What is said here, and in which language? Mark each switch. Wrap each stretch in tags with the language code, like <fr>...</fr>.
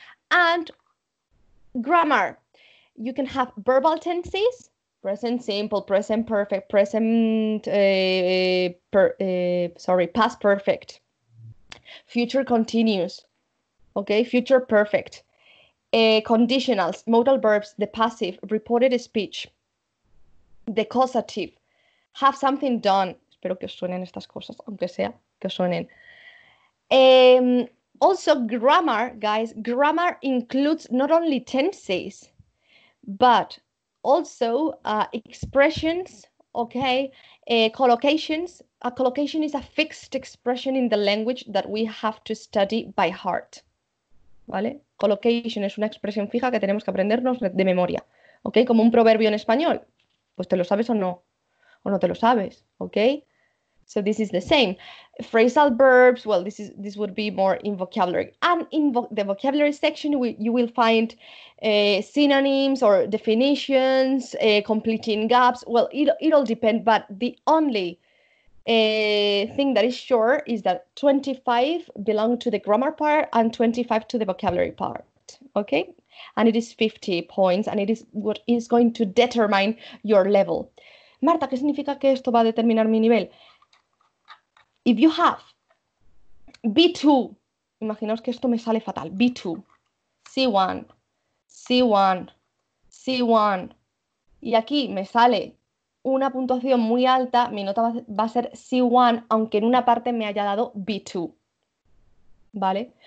<en>And grammar. You can have verbal tenses, present simple, present perfect, present, past perfect, future continuous, okay, future perfect. Conditionals, modal verbs, the passive, reported speech, the causative, have something done.</en> <es>Espero que os suenen estas cosas, aunque sea que os suenen.</es> <en>Also, grammar, guys, grammar includes not only tenses, but also expressions Okay. Collocations. A collocation is a fixed expression in the language that we have to study by heart.</en> <es>¿Vale? Collocation es una expresión fija que tenemos que aprendernos de memoria. ¿Okay? Como un proverbio en español. Pues te lo sabes o no. O no te lo sabes. ¿Okay?</es> <en>So this is the same. Phrasal verbs, well, this would be more in vocabulary. And in the vocabulary section, you will find synonyms or definitions, completing gaps. Well, it all depends, but the only thing that is sure is that 25 belong to the grammar part and 25 to the vocabulary part, okay? And it is 50 points, and it is what is going to determine your level.</en> <es>Marta, ¿qué significa que esto va a determinar mi nivel?</es> <en>If you have B2,</en> <es>imaginaos que esto me sale fatal, B2, C1, C1, C1, y aquí me sale una puntuación muy alta, mi nota va a ser C1, aunque en una parte me haya dado B2, ¿vale?</es>